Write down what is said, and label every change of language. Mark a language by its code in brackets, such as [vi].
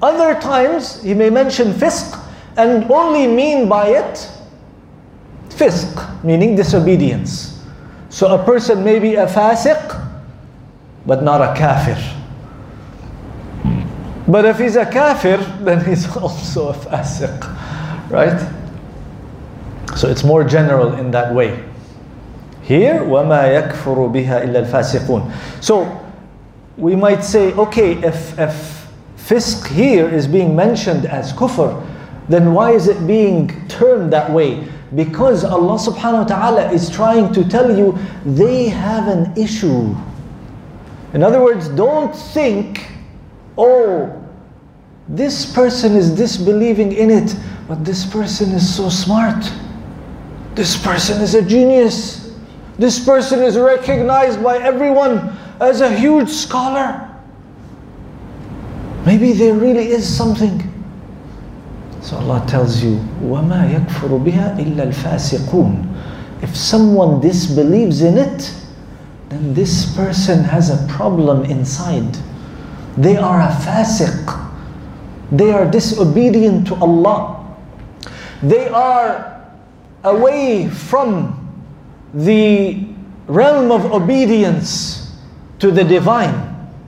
[en] Other times, he may mention fisq and only mean by it fisq, meaning disobedience. So a person may be a fasiq, but not a kafir. But if he's a kafir, then he's also a fasiq, right? So it's more general in that way. Here, [ar] وَمَا يَكْفُرُ بِهَا إِلَّا الْفَاسِقُونَ. [en] So we might say, okay, if fisq here is being mentioned as kufr, then why is it being termed that way? Because Allah subhanahu wa ta'ala is trying to tell you they have an issue. In other words, don't think, oh, this person is disbelieving in it, but this person is so smart. This person is a genius. This person is recognized by everyone as a huge scholar. Maybe there really is something. So Allah tells you, [ar] وَمَا يَكْفُرُ بِهَا إِلَّا الْفَاسِقُونَ. [en] If someone disbelieves in it, then this person has a problem inside. They are a fasiq. They are disobedient to Allah. They are away from the realm of obedience to the divine.